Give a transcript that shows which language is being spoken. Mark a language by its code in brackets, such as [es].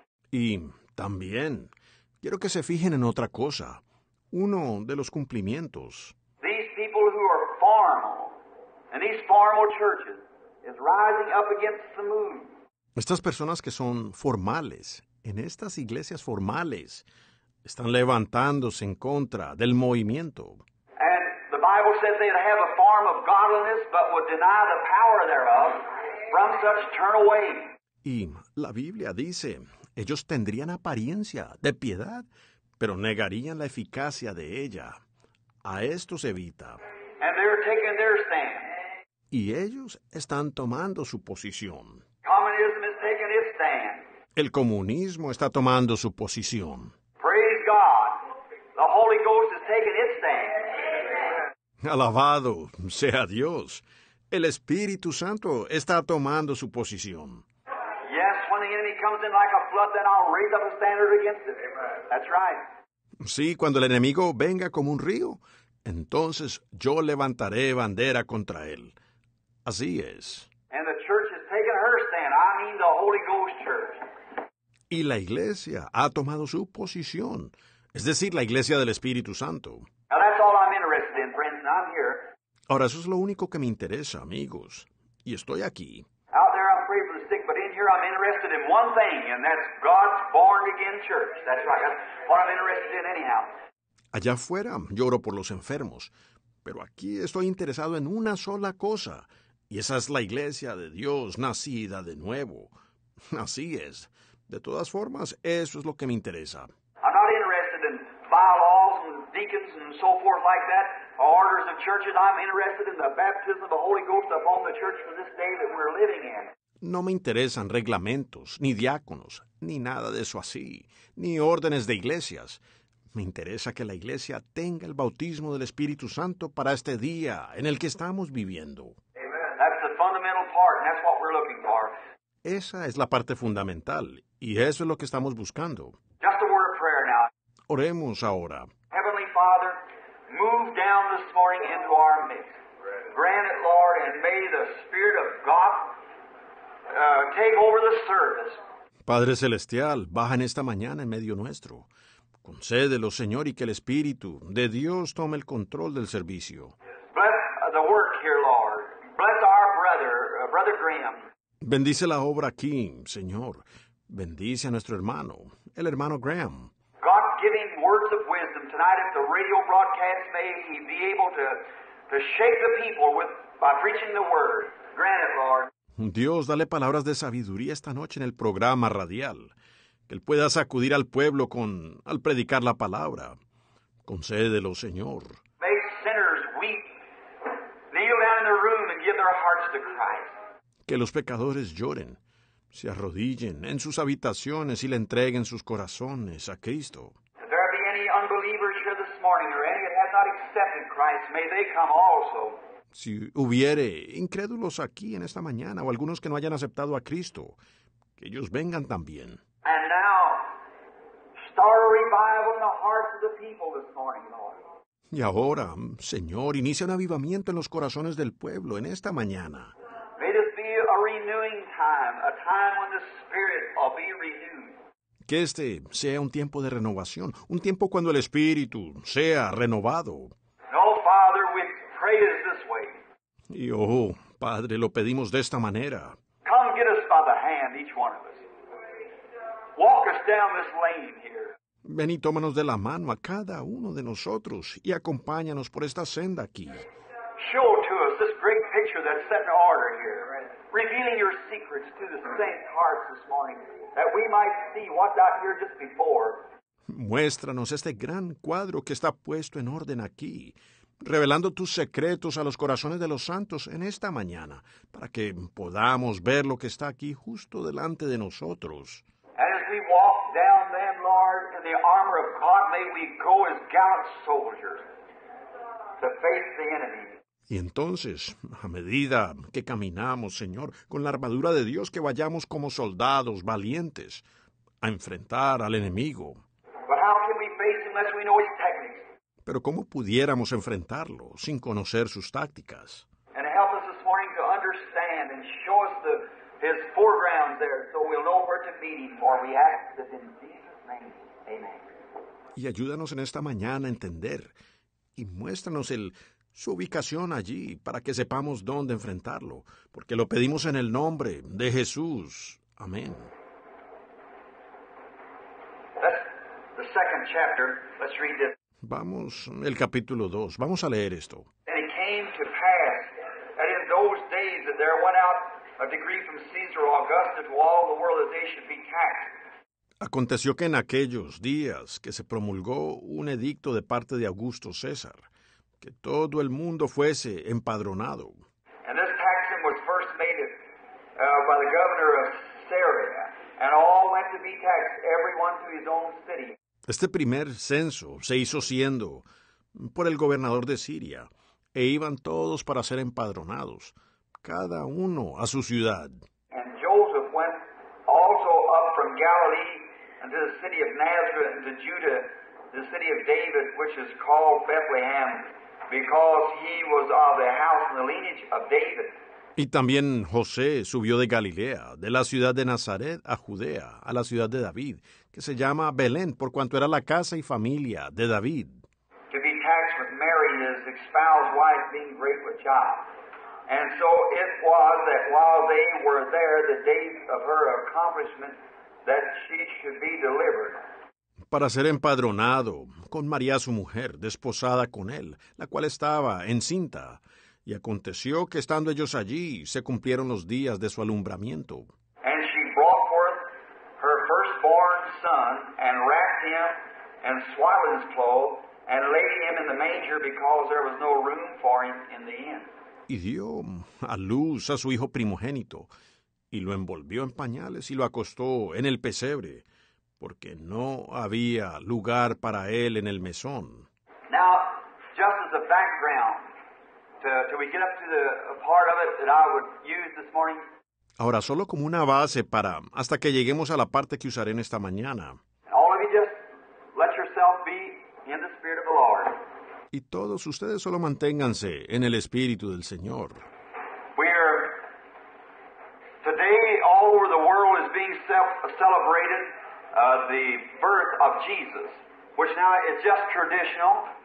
[es] Y también, quiero que se fijen en otra cosa, uno de los cumplimientos. [en] These people who are formal, and these formal churches is rising up against the moon. [es] Estas personas que son formales, en estas iglesias formales, están levantándose en contra del movimiento. [en] And the Bible says they'd have a form of godliness, but would deny the power thereof, from such turn away. [es] Y la Biblia dice, ellos tendrían apariencia de piedad, pero negarían la eficacia de ella. A esto se evita. [en] And they're taking their stand. [es] Y ellos están tomando su posición. [en] Communism is taking its stand. [es] El comunismo está tomando su posición. [en] Praise God. The Holy Ghost is taking its stand. [es] Alabado sea Dios. El Espíritu Santo está tomando su posición. [en] Yes, when the enemy comes in like a flood, then I'll raise up a standard against it. That's right. [es] Sí, cuando el enemigo venga como un río, entonces yo levantaré bandera contra él. Así es. [en] And the church has taken her stand. I mean the Holy Ghost Church. [es] Y la iglesia ha tomado su posición, es decir, la iglesia del Espíritu Santo. [en] Now that's all I'm interested in, friends. I'm here. [es] Ahora, eso es lo único que me interesa, amigos. Y estoy aquí. [en] Out there I'm free from the stick, but in here I'm interested in one thing, and that's God's born-again church. That's right. That's what I'm interested in anyhow. [es] Allá afuera, lloro por los enfermos. Pero aquí estoy interesado en una sola cosa. Y esa es la iglesia de Dios nacida de nuevo. Así es. De todas formas, eso es lo que me interesa. [en] I'm not interested in bylaws and deacons and so forth like that, or orders of churches. I'm interested in the baptism of the Holy Ghost upon the church for this day that we're living in. [es] No me interesan reglamentos, ni diáconos, ni nada de eso así, ni órdenes de iglesias. Me interesa que la iglesia tenga el bautismo del Espíritu Santo para este día en el que estamos viviendo. [en] That's the fundamental part, and that's what we're looking for. [es] Esa es la parte fundamental, y eso es lo que estamos buscando. [en] Just a word of prayer now. [es] Oremos ahora. [en] Heavenly Father, move down this morning into our midst. Grant it, Lord, and may the Spirit of God take over the service. [es] Padre Celestial, baja en esta mañana en medio nuestro. Concédelo, Señor, y que el Espíritu de Dios tome el control del servicio. [en] Bless the work here, Lord. Bless our brother, Brother Graham. [es] Bendice la obra aquí, Señor. Bendice a nuestro hermano, el hermano Graham. [en] God give him words of wisdom tonight at the radio broadcast. May he be able to shake the people with by preaching the word. Grant it, Lord. [es] Dios, dale palabras de sabiduría esta noche en el programa radial. Que él pueda sacudir al pueblo con al predicar la palabra. Concédelo, Señor. [en] May sinners weep, kneel down in their room and give their hearts to Christ. [es] Que los pecadores lloren, se arrodillen en sus habitaciones y le entreguen sus corazones a Cristo. [en] If there be any unbelievers here this morning or any that have not accepted Christ, may they come also. [es] Si hubiere incrédulos aquí en esta mañana o algunos que no hayan aceptado a Cristo, que ellos vengan también. [en] And now, start a revival in the hearts of the people this morning, Lord. [es] Y ahora, Señor, inicia un avivamiento en los corazones del pueblo en esta mañana. [en] May this be a renewing time, a time when the Spirit will be renewed. [es] Que este sea un tiempo de renovación, un tiempo cuando el Espíritu sea renovado. [en] No, Father, we pray it this way. [es] Y oh, Padre, lo pedimos de esta manera. [en] Come get us by the hand, each one of us. Walk us down this lane here. [es] Ven y tómanos de la mano a cada uno de nosotros y acompáñanos por esta senda aquí. [en] Show to us this great picture that's set in order here, revealing your secrets to the saints' hearts this morning, that we might see what's out here just before. [es] Muéstranos este gran cuadro que está puesto en orden aquí, revelando tus secretos a los corazones de los santos en esta mañana, para que podamos ver lo que está aquí justo delante de nosotros. [en] We walk down them, Lord, in the armor of God. May we go as gallant soldiers to face the enemy. [es] Y entonces, a medida que caminamos, Señor, con la armadura de Dios, que vayamos como soldados valientes a enfrentar al enemigo. [en] But how can we face him unless we know his tactics? [es] Pero ¿cómo pudiéramos enfrentarlo sin conocer sus tácticas? [en] And help us this morning to understand and show us the His foreground there, so we'll know where to meet him, for we ask this in Jesus' name. Amen. [es] Y ayúdanos en esta mañana a entender, y muéstranos su ubicación allí, para que sepamos dónde enfrentarlo, porque lo pedimos en el nombre de Jesús. Amén. [en] That's the second chapter. Let's read this. [es] Vamos, el capítulo 2. Vamos a leer esto. [en] And it came to pass that in those days that there went out a decree from Caesar Augustus to all the world that they should be taxed. [es] Aconteció que en aquellos días que se promulgó un edicto de parte de Augusto César, que todo el mundo fuese empadronado. [en] And this taxing was first made by the governor of Syria, and all went to be taxed, everyone to his own city. [es] Este primer censo se hizo siendo por el gobernador de Siria, e iban todos para ser empadronados, cada uno a su ciudad. [en] And Joseph went also up from Galilee unto the city of Nazareth, to Judah, the city of David, which is called Bethlehem, because he was of the house and the lineage of David. [es] Y también José subió de Galilea, de la ciudad de Nazaret a Judea, a la ciudad de David, que se llama Belén, por cuanto era la casa y familia de David. [en] To be taxed with Mary, his espoused wife, being great with child. And so it was that while they were there, the date of her accomplishment, that she should be delivered. [es] Para ser empadronado con María, su mujer, desposada con él, la cual estaba encinta. Y aconteció que estando ellos allí, se cumplieron los días de su alumbramiento. [en] And she brought forth her firstborn son, and wrapped him in swaddling clothes, and laid him in the manger, because there was no room for him in the inn. [es] Y dio a luz a su hijo primogénito, y lo envolvió en pañales y lo acostó en el pesebre, porque no había lugar para él en el mesón. [en] Now, just as a background, till we get up to the part of it that I would use this morning. [es] Ahora, solo como una base para hasta que lleguemos a la parte que usaré en esta mañana. [en] All of you just let yourself be in the Spirit of the Lord. [es] Y todos ustedes solo manténganse en el Espíritu del Señor. [en] Today, all over the world is being celebrated the birth of Jesus, which now is just traditional.